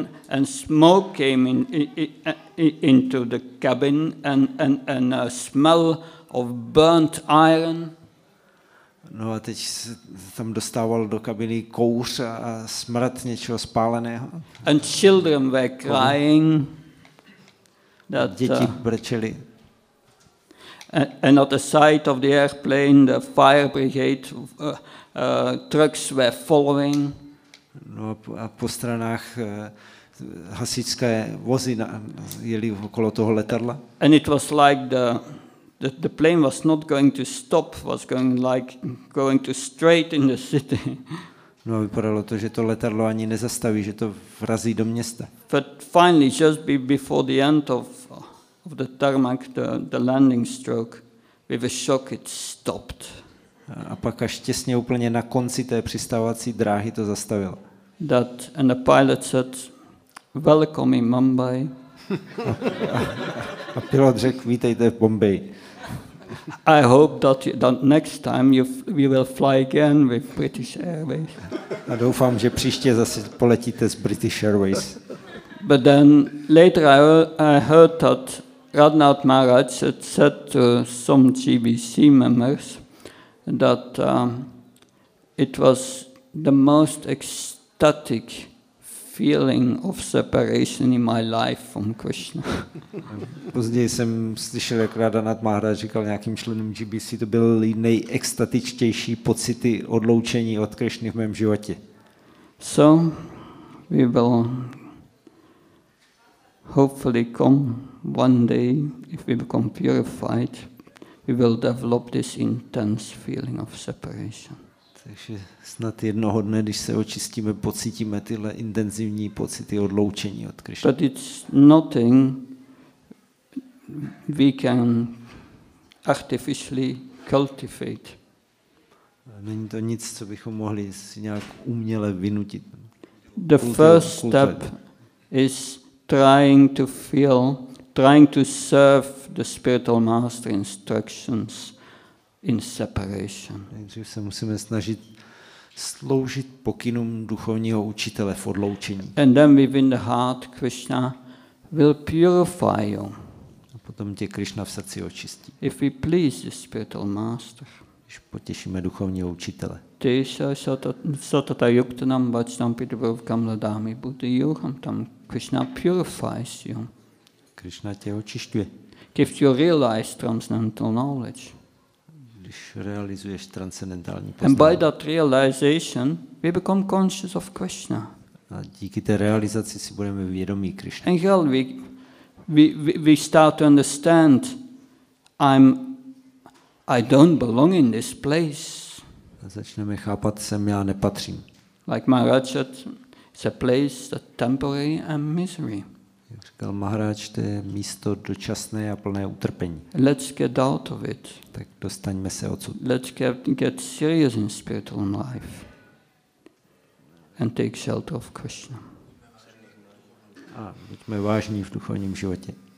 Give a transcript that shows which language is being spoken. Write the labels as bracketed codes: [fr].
[en] And smoke came into the cabin and a smell of burnt iron. [cs] No a teď se tam dostával do kabiny kouř a smrad něčeho spáleného. [en] And children were crying. [cs] Děti brečeli. [en] And at the sight of the airplane, the fire brigade trucks were following. [cs] No a po stranách hasičské vozy jeli okolo toho letadla. [en] And it was like the plane was not going to stop, was going straight in the city. [cs] No a vypadalo to, že to letadlo ani nezastaví, že to vrazí do města. [en] But finally, just before the end of the tarmac, the landing stroke, with a shock, it stopped. [cs] A pak až těsně úplně na konci té přistávací dráhy to zastavilo. [en] That and the pilot said, "Welcome in Mumbai." [cs] A pilot řekl, vítejte v Bombaji. [en] I hope that next time we will fly again with British Airways. [cs] A doufám, že příště zase poletíte s British Airways. [en] But then later I heard that Radhanath Maharaj said to some GBC members that it was the most ecstatic feeling of separation in my life from Krishna. [cs] Později jsem slyšel, jak Radhanath Maharaj říkal nějakým členům GBC, to byly nejextatičtější pocity odloučení od Krishny v mém životě. [en] So we will hopefully come one day, if we become purified, we will develop this intense feeling of separation. [cs] Takže snad jednoho dne, když se očistíme, pocítíme tyhle intenzivní pocity odloučení od Krišny. [en] But it's nothing we can artificially cultivate. [cs] Není to nic, co bychom mohli si nějak uměle vynutit. [en] The first step is trying to feel, trying to serve the spiritual master instructions in separation. [cs] Takže se musíme snažit sloužit pokynům duchovního učitele v odloučení. [en] And then within the heart Krishna will purify you. [cs] A potom tě Krishna v srdci očistí. [en] If we please the spiritual master. [cs] Když potěšíme duchovního učitele. [sa] Tisha satata yuktanam vachnam pitabhavkam ladami buddhi yoham tam [en] Krishna purifies you. [cs] Krishna tě očišťuje. [en] Gives you realized transcendental knowledge. [cs] Když realizuješ transcendentální poznání. [en] And by that realization we become conscious of Krishna. [cs] A díky té realizaci si budeme vědomí Krishna. [en] And here we start to understand I don't belong in this place. [cs] A začneme chápat, sem já nepatřím. [en] Like Maharaj said, it's a place that temporary and misery. [cs] Jak říkal Maharaj, to je místo dočasné a plné utrpení. [en] Let's get out of it. [cs] Tak dostaňme se odsud. [en] Let's get serious in spiritual life and take shelter of Krishna. [cs] A buďme vážní v duchovním životě.